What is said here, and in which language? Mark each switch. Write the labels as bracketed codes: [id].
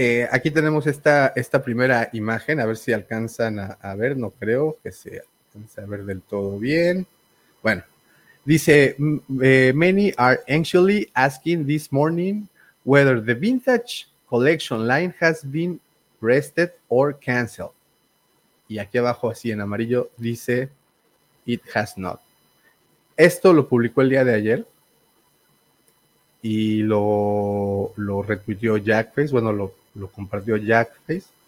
[es] Aquí tenemos esta primera imagen, a ver si alcanzan a ver, no creo que se alcance a ver del todo bien. Bueno, dice, [en] many are anxiously asking this morning whether the vintage collection line has been rested or canceled. [es] Y aquí abajo, así en amarillo, dice, [en] it has not. [es] Esto lo publicó el día de ayer. Y lo retuiteó Jackface, bueno, lo compartió Jackface.